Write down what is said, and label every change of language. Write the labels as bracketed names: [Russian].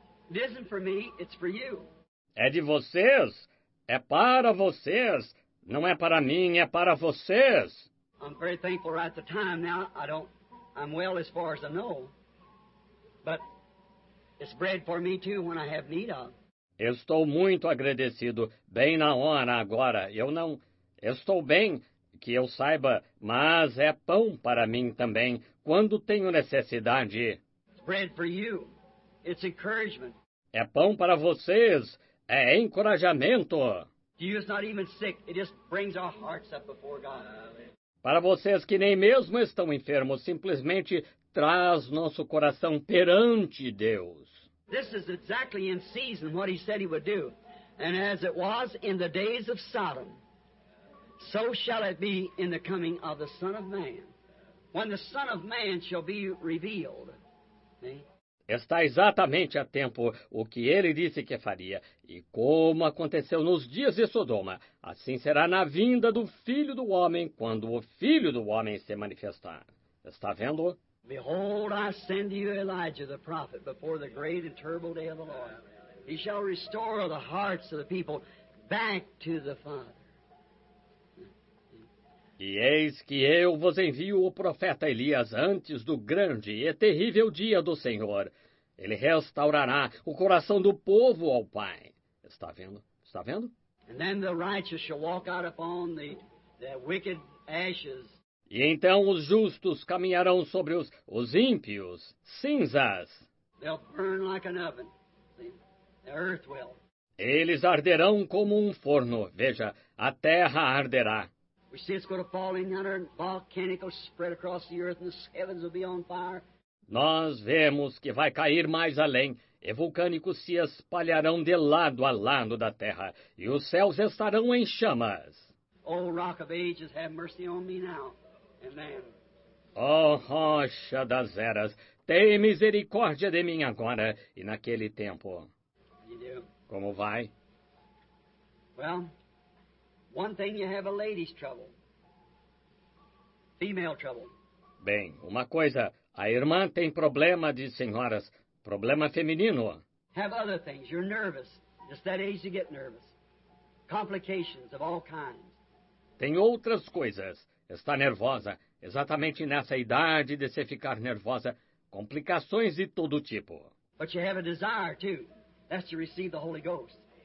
[English] It isn't for me, it's for you. [Portuguese] É de vocês. É para vocês. Não é para mim, é para vocês. [English] I'm very thankful right at the time now. I'm well as far as I know. But it's bread for me too when I have need of. [Portuguese] Estou muito agradecido. Bem na hora agora. Estou bem. Que eu saiba, mas é pão para mim também, quando tenho necessidade. [English] It's bread for you. It's encouragement. [Portuguese] É pão para vocês. É encorajamento. [English] You're not even sick. It just brings our hearts up before God. [Portuguese] Para vocês que nem mesmo estão enfermos, simplesmente traz nosso coração perante Deus. [English] This is exactly in season what he said he would do. And as it was in the days of Sodom, so shall it be in the coming of the Son of Man, when the Son of Man shall be revealed. [Portuguese] Está exatamente a tempo o que ele disse que faria, e como aconteceu nos dias de Sodoma, assim será na vinda do Filho do Homem, quando o Filho do Homem se manifestar. Está vendo? [English] Behold, I send you Elijah the prophet before the great and terrible day of the Lord. He shall restore the hearts of the people back to the Father. [Portuguese] E eis que eu vos envio o profeta Elias antes do grande e terrível dia do Senhor. Ele restaurará o coração do povo ao Pai. Está vendo? Está vendo? [English] And then the righteous shall walk out upon the wicked ashes. [Portuguese] E então os justos caminharão sobre os ímpios cinzas. [English] They'll burn like an oven. The earth will. [Portuguese] Eles arderão como um forno. Veja, a terra arderá. [English] We see it's going to fall in yonder volcanic spread across the earth, and the heavens will be on fire. [Portuguese] Nós vemos que vai cair mais além, e vulcânicos se espalharão de lado a lado da terra, e os céus estarão em chamas. [English] Oh, rock of ages, have mercy on me now. Amen. [Portuguese] Oh, rocha das eras, tem misericórdia de mim agora e naquele tempo. Como vai? [English] Well, one thing you have a lady's trouble. Female trouble. [Portuguese] Bem, uma coisa, a irmã tem problema de senhoras, problema feminino. [English] Have other things. You're nervous. It's that age you get nervous. Complications of all kinds. [Portuguese] Tem outras coisas. Está nervosa. Exatamente nessa idade de se ficar nervosa. Complicações de todo tipo. [English] But you have a desire, too. That's to receive the Holy Ghost.